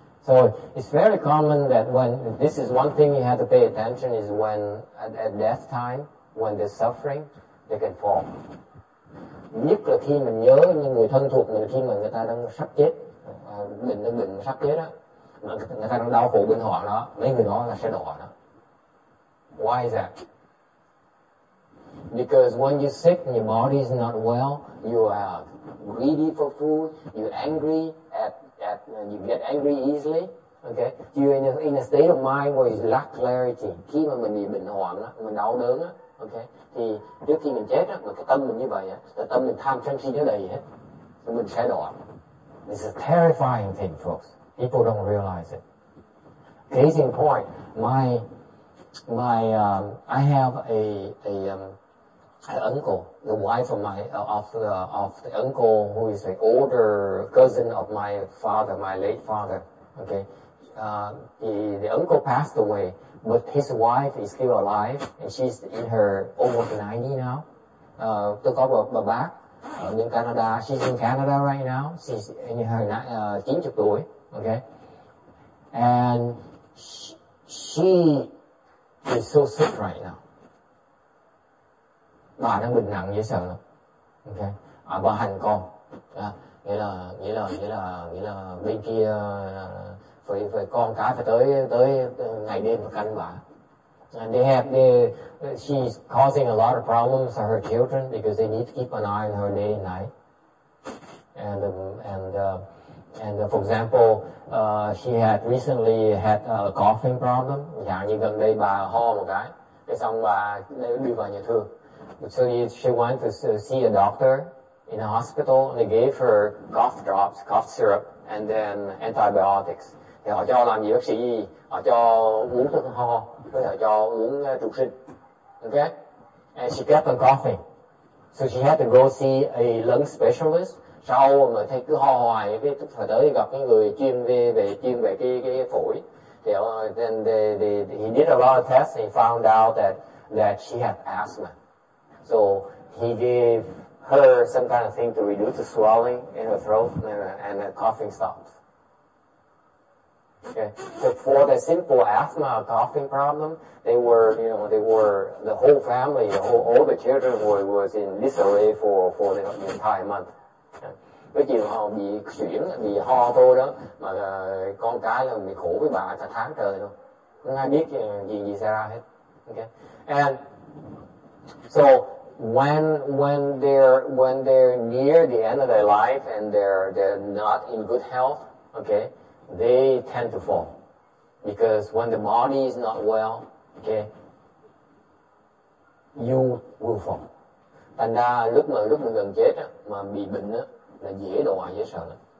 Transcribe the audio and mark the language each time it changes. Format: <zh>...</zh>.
<en>So it's very common that when this is one thing you have to pay attention is when at death time when they're suffering they can fall.</en> <vi>Nhất là khi mình nhớ những người thân thuộc mình khi mà người ta đang sắp chết, mình đang bệnh sắp chết á, người ta đang đau khổ bên họ đó, mấy người đó là sẽ đổ đó.</vi> <en>Why is that? Because when you're sick and your body is not well, you are greedy for food, you're angry at you get angry easily, okay? You're in a state of mind where you lack clarity.</en> <vi>Khi mà mình bị bệnh hoạn á, mình đau đớn á, okay? Thì trước khi mình chết á, mà cái tâm mình như vậy á, cái tâm mình tham sân si nó đầy hết, thì mình sẽ đọa.</vi> <en>This is a terrifying thing, folks. People don't realize it. Case in point, I have an uncle, the wife of the uncle who is the older cousin of my father, my late father. Okay, the uncle passed away, but his wife is still alive, and she's in her over 90 now.</en> <vi>Tôi có một bà bác ở Canada.</vi> <en>She's in Canada right now. She's in her 90 tuổi. Okay, and she is so sick right now.</en> <vi>Bà đang bệnh nặng dễ sợ lắm. Okay. À, bà hành con. À, nghĩa là bên kia phải con cái phải tới ngày đêm và canh bà.</vi> <en>And they have she's causing a lot of problems to her children because they need to keep an eye on her day and night. And for example, she had recently had a coughing problem.</en> <vi>Dạng như gần đây bà ho một cái, cái xong bà đi vào nhà thương.</vi> <en>So she went to see a doctor in a hospital, and they gave her cough drops, cough syrup, and then antibiotics.</en> <vi>Thì họ cho làm gì bác sĩ gì? Họ cho uống thuốc ho, với họ cho uống trục sinh.</vi> <en>Okay? And she kept on coughing. So she had to go see a lung specialist.</en> <vi>Sau mà thấy cứ ho hoài, cái tức phải tới gặp cái người chuyên về cái phổi.</vi> <en>Thì then he did a lot of tests, and he found out that she had asthma. So he gave her some kind of thing to reduce the swelling in her throat and the coughing stopped. Okay. So for the simple asthma coughing problem, all the children was in disarray for the entire month.</en> <vi>Cái chuyện họ bị chuyển, bị ho thôi đó, mà con cái là bị khổ với bà cả tháng trời luôn. Không ai biết gì xảy ra hết.</vi> <en>Okay. And so when they're near the end of their life and they're not in good health, okay, they tend to fall. Because when the body is not well, okay, you will fall.</en> <vi>Thành ra lúc mà gần chết á, mà bị bệnh á, là dễ đồ hoài dễ sợ lắm.</vi>